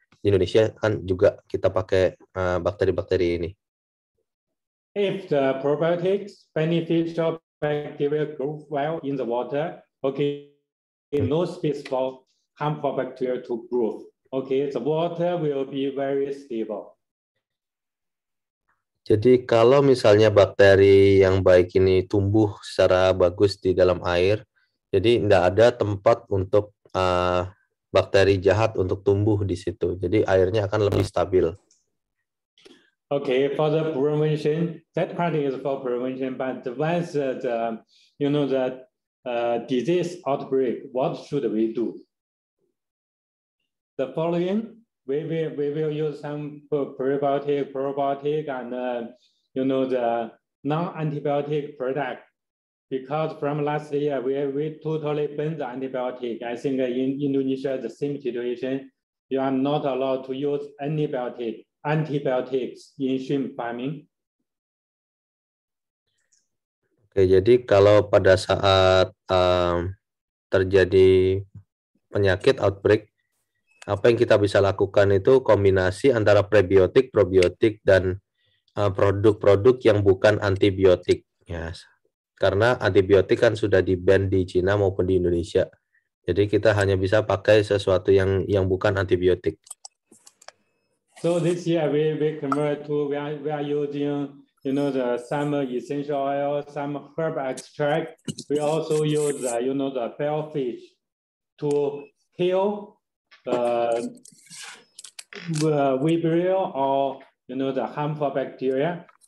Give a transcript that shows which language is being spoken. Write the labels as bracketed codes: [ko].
[id] Di Indonesia kan juga kita pakai bakteri-bakteri ini. [en] If the probiotics beneficial bacteria grow well in the water, okay, no space for harmful bacteria to grow. Okay, the water will be very stable. [id] Jadi kalau misalnya bakteri yang baik ini tumbuh secara bagus di dalam air, jadi tidak ada tempat untuk bakteri jahat untuk tumbuh di situ. Jadi airnya akan lebih stabil. [en] Okay, for the prevention, that part is for prevention, but once the, you know, the disease outbreak, what should we do? The following, we will use some probiotic and you know, the non-antibiotic product, because from last year we totally banned the antibiotic. I think in Indonesia the same situation, you are not allowed to use antibiotics in shrimp farming. [id] Oke, jadi kalau pada saat terjadi penyakit outbreak, apa yang kita bisa lakukan itu kombinasi antara prebiotik, probiotik, dan produk-produk yang bukan antibiotik. Ya, karena antibiotik kan sudah di-ban di Cina maupun di Indonesia. Jadi kita hanya bisa pakai sesuatu yang bukan antibiotik. [en] So this year we are using, you know, the some essential oil, some herb extract. We also use the, you know, the bell fish to kill vibrio or, you know, the harmful bacteria.